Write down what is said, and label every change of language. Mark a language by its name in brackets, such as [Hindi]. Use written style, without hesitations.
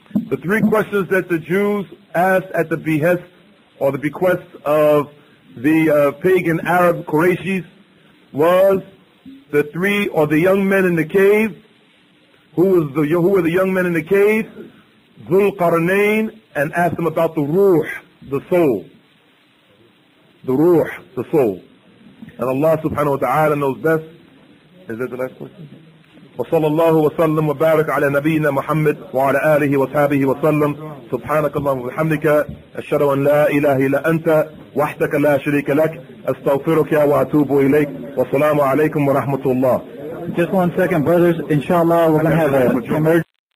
[English] The three questions that the Jews asked at the behest or the bequest of the pagan Arab Quraishis was the three or the young men in the cave. Who were the young men in the cave? Dhul Qarnayn, and asked them about the ruh, the soul. The ruh, the soul. And Allah subhanahu wa ta'ala knows best. Is that the last question? [Arabic] وصلى الله وسلم وبارك على نبينا محمد وعلى آله وصحبه وسلم. سبحانك اللهم وبحمدك أشهد أن لا إله إلا أنت وحدك لا شريك لك أستغفرك وأتوب إليك والسلام عليكم ورحمة الله. [English] Just one second, brothers. Inshallah, we're going to have an emergency.